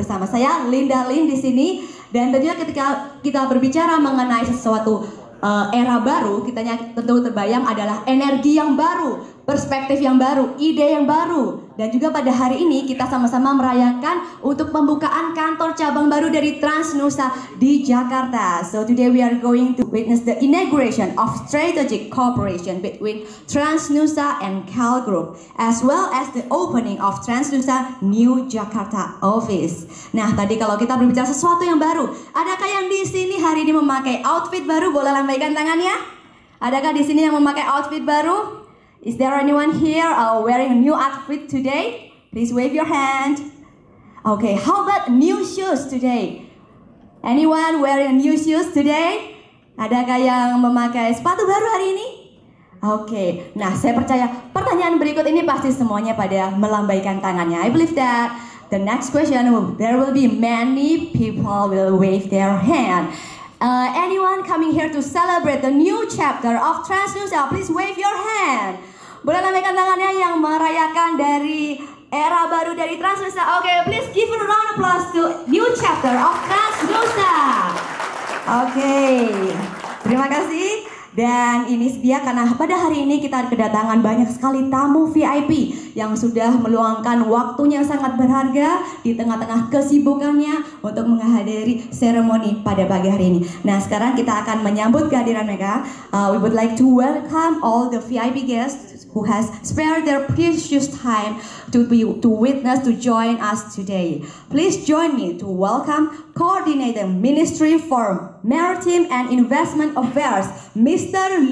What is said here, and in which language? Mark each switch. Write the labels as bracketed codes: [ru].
[id] Bersama saya Linda Lin di sini, dan tentunya ketika kita berbicara mengenai sesuatu era baru, kitanya tentu terbayang adalah energi yang baru, perspektif yang baru, ide yang baru. Dan juga pada hari ini kita sama-sama merayakan untuk pembukaan kantor cabang baru dari Transnusa di Jakarta. [en] So today we are going to witness the inauguration of strategic cooperation between Transnusa and Scale Group, as well as the opening of Transnusa New Jakarta office. [id] Nah, tadi kalau kita berbicara sesuatu yang baru, adakah yang di sini hari ini memakai outfit baru? Boleh lambaikan tangannya. Adakah di sini yang memakai outfit baru? [en] Is there anyone here wearing a new outfit today? Please wave your hand. Okay, how about new shoes today? Anyone wearing new shoes today? [id] Adakah yang memakai sepatu baru hari ini? Okay, nah saya percaya pertanyaan berikut ini pasti semuanya pada melambaikan tangannya. [en] I believe that the next question, there will be many people will wave their hand. Anyone coming here to celebrate the new chapter of Transnusa, please wave your hand. [id] Boleh lambaikan tangannya yang merayakan dari era baru dari Transnusa. [en] Okay, please give a round of applause to new chapter of Transnusa. [id] Okay, terima kasih. Dan ini dia, karena pada hari ini kita kedatangan banyak sekali tamu VIP yang sudah meluangkan waktunya sangat berharga di tengah-tengah kesibukannya untuk menghadiri seremoni pada pagi hari ini. Nah, sekarang kita akan menyambut kehadiran mereka. [en] We would like to welcome all the VIP guests who has spared their precious time to join us today. Please join me to welcome Coordinator Ministry for Maritime and Investment Affairs, Mr.